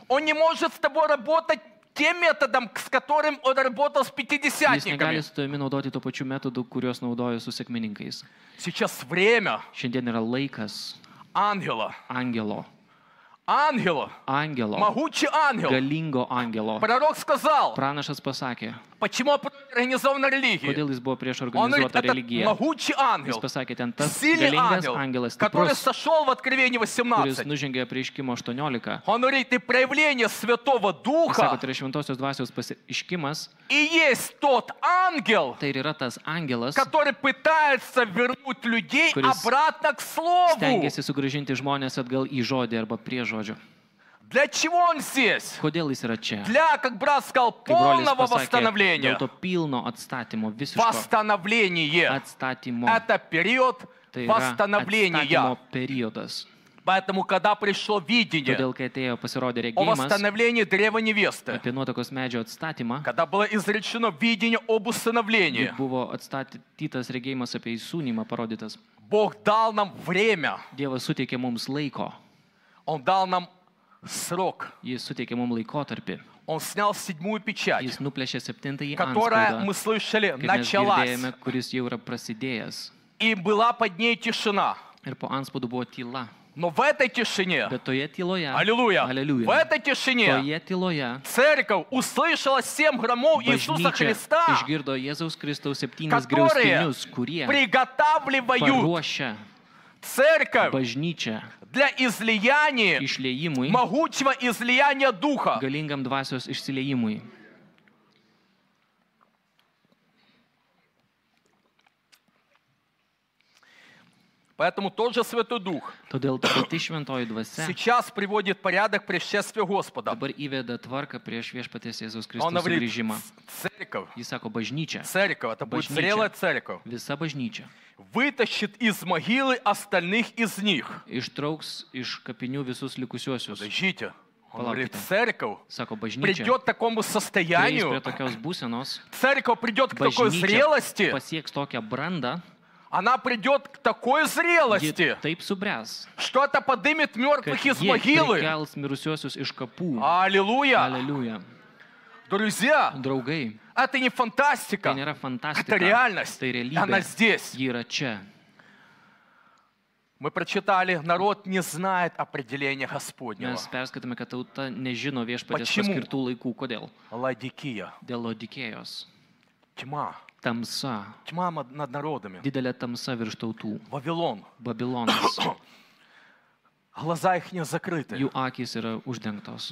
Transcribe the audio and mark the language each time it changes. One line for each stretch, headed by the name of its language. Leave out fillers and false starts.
Russian: Он не может с тобой работать тем методом, с которым он работал с пятидесятниками.
Lithuanian: Jis negali su tavimi naudoti tuo pačiu metodu, kuriuos naudojo su sekmininkais.
Russian: Сейчас время.
Lithuanian: Šiandien yra laikas.
Russian: Ангела.
Lithuanian: Ангело. Ангело. Ангело.
Russian: Могучий ангел.
Lithuanian: Галинго ангело.
Russian: Пророк сказал.
Lithuanian: Пранашас пасакė.
Russian: Почему организована религия?
Lithuanian: Kodėl jis buvo prieš organizuota religija?
Russian: Могучий ангел.
Lithuanian: Jis pasakė, ten tas galingas ангелas,
Russian: который сошел в Откровении 18.
Lithuanian: Kuris nužengė apreiškimo 18.
Russian: Он говорит, это проявление Святого Духа.
Lithuanian: Jis sako, tai šventosios dvasios pasireiškimas.
Russian: И есть тот ангел.
Lithuanian: Tai yra tas ангелas.
Russian: Который пытается вернуть людей обратно к слову.
Lithuanian: Stengiasi sugrįžinti žmonės atgal į žodį arba prie žodžio.
Russian: Для чего он здесь?
Lithuanian: Kodėl jis yra čia?
Russian: Для, как брат сказал, полного восстановления.
Lithuanian: Dėl to pilno atstatymo, visiško
Russian: восстановление.
Lithuanian: Atstatymo.
Russian: Это период восстановления.
Lithuanian: Periodas.
Russian: Поэтому, когда пришло видение,
Lithuanian: todėl, kai atėjo, pasirodė regėjimas,
Russian: о восстановлении древа невесты,
Lithuanian: apie nuotakos medžio atstatymą,
Russian: когда было изречено видение об усыновлении,
Lithuanian: buvo atstatytas regėjimas apie įsūnymą parodytas,
Russian: Бог дал нам время.
Lithuanian: Dievas suteikė mums laiko.
Russian: Он дал нам срок.
Lithuanian: Jis suteikė mums laikotarpį.
Russian: Он снял седьмую печать.
Lithuanian: Jis nuplėšė septintąjį antspaudą,
Russian: мы слышали, началась,
Lithuanian: kuris jau yra prasidėjęs.
Russian: И была под ней тишина.
Lithuanian: Ir po antspaudu buvo tyla.
Russian: Но в этой тишине.
Lithuanian: Bet toje tyloje.
Russian: Аллилуйя. Аллилуйя. В этой тишине.
Lithuanian: Toje tyloje.
Russian: Церковь услышала семь громов Иисуса Христа.
Lithuanian: Išgirdo Jėzaus Kristaus septynis griaustinius, kurie
Russian: приготавливают церковь.
Lithuanian: Bažnyčia.
Russian: Для излияния, могучего излияния духа.
Lithuanian: Galingam dvasios išsiliejimui.
Russian: Поэтому тот же Святой Дух.
Lithuanian: Todėl ta pati šventoji dvasia.
Russian: Сейчас приводит порядок пришествия Господа.
Lithuanian: Dabar įveda tvarką prieš viešpaties Jėzaus Kristaus sugrįžimą.
Russian: Церковь.
Lithuanian: Jis sako, bažnyčia.
Russian: Церковь, это будет зрелая церковь.
Lithuanian: Visa bažnyčia.
Russian: Вытащит из могилы остальных из них.
Lithuanian: Ištrauks iš kapinių visus likusiuosius.
Russian: Подождите. Он говорит, церковь
Lithuanian: sako, bažnyčia,
Russian: придет к такому состоянию.
Lithuanian: Prieš prie tokios būsenos.
Russian: Церковь придет к такой зрелости.
Lithuanian: Pasieks tokią brandą.
Russian: Она придет к такой зрелости.
Lithuanian: Ji taip subręs.
Russian: Что это подымет мертвых из могилы.
Lithuanian: Kad jie prikels mirusiuosius iš kapų.
Russian: Аллилуйя. Аллилуйя. Друзья.
Lithuanian: Draugai.
Russian: Это не фантастика.
Lithuanian: Tai nėra фантастика.
Russian: Это реальность.
Lithuanian: Tai realybė.
Russian: Она здесь.
Lithuanian: Ji yra čia.
Russian: Мы прочитали, народ не знает определения Господнего.
Lithuanian: Mes perskaitame, kad tauta nežino viešpaties paskirtų laikų. Kodėl?
Russian: Ладикия.
Lithuanian: Dėl Ладикеjos.
Russian: Тьма.
Lithuanian: Tamsa.
Russian: Тьма над народами.
Lithuanian: Didelė tamsa virš tautų.
Russian: Вавилон.
Lithuanian: Бабилонas.
Russian: Глаза их не закрыты.
Lithuanian: Jų akys yra uždengtos.